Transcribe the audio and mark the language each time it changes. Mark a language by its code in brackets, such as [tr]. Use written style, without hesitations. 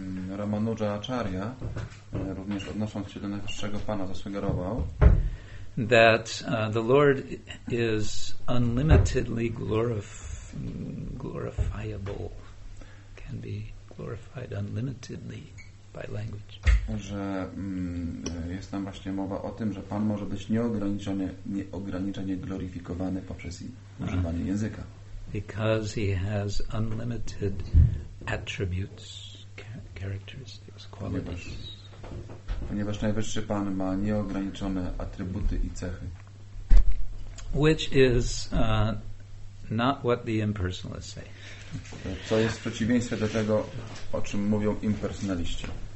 [pl] Ramanuja Acharya również odnosząc się do Najwyższego Pana zasugerował, [en] that the Lord is unlimitedly glorifiable, can be glorified unlimitedly by language. [pl] Że jest tam właśnie mowa o tym, że Pan może być nieograniczenie gloryfikowany poprzez używanie języka. [en] Because he has unlimited attributes, characteristics, qualities. [pl] Ponieważ Najwyższy Pan ma nieograniczone atrybuty i cechy. [en] Which is not what the impersonalists say. [pl] Co jest w przeciwieństwie do tego, o czym mówią impersonaliści.